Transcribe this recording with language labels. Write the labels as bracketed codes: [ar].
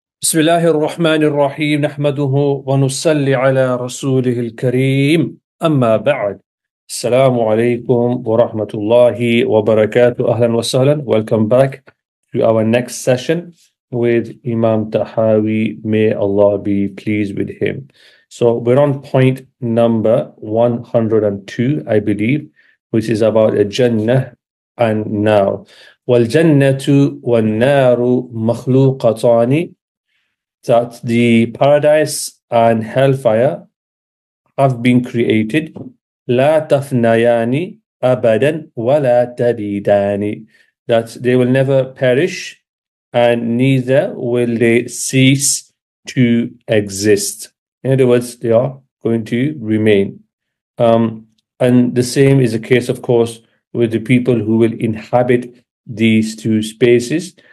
[ar] بسم الله الرحمن الرحيم، نحمده ونصلي على رسوله الكريم، أما بعد، السلام عليكم ورحمة الله وبركاته. أهلا وسهلا، [en] welcome back to our next session with Imam Tahawi. May Allah be pleased with him. So we're on point number 102, I believe, which is about a Jannah and Nar. [ar] وَالْجَنَّةُ وَالنَّارُ مَخْلُوقَتَانِ. [en] That the paradise and hellfire have been created. [ar] لا تفنياني أبدا ولا تبيداني. [en] That they will never perish and neither will they cease to exist. In other words, they are going to remain. And the same is the case, of course, with the people who will inhabit these two spaces.